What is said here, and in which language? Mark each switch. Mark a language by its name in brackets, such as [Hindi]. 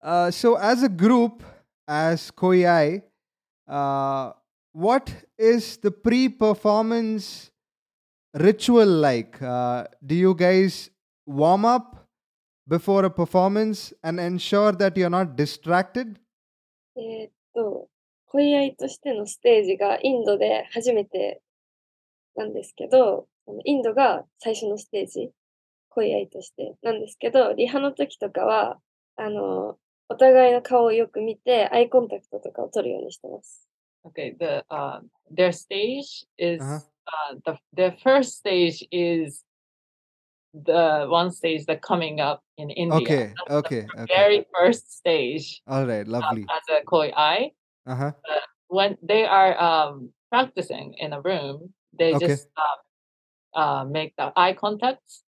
[English] So as a group, as KOIAI, what is the pre-performance ritual like? Do you guys warm up before a performance and ensure that you're not distracted? [Japanese] KOIAIとしてのステージがインドで初めてなんですけど、インドが最初のステージ、KOIAIとしてなんですけど、リハの時とかは、お互いの顔をよく見て、アイコンタクトとかを取るようにしてます。 [English] Okay, their stage is, their first stage is the one stage that's coming up in India. Okay, that's okay. The very first stage. All right, lovely. As a KOIAI. Uh-huh. When they are practicing in a room, they just make the eye contact.